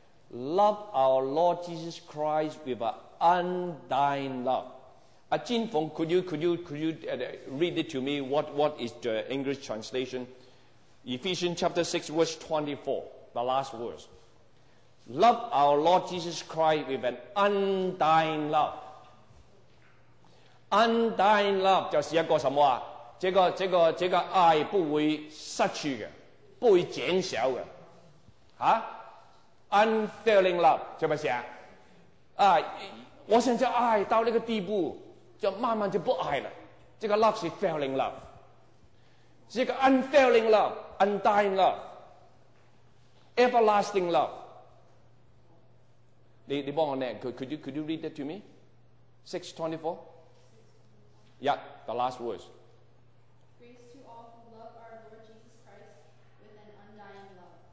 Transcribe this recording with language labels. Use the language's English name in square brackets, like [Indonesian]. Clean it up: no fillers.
[English] Love our Lord Jesus Christ with an undying love. Jin Fong, could you read it to me? What is the English translation? Ephesians chapter 6, verse 24, the last verse. Love our Lord Jesus Christ with an undying love. [Chinese] Undying love 就是一个什么啊？这个爱不会失去的，不会减少的，啊 ？Unfailing love 是不是啊？啊，我想这爱到那个地步，就慢慢就不爱了。这个 love 是 failing love， 这个 unfailing love、undying love、everlasting love。你帮我念 ， [English] Could you read that to me？ [Chinese] 6:24。 [English] Yeah, the last words. Grace to all who love our Lord Jesus Christ with an undying love.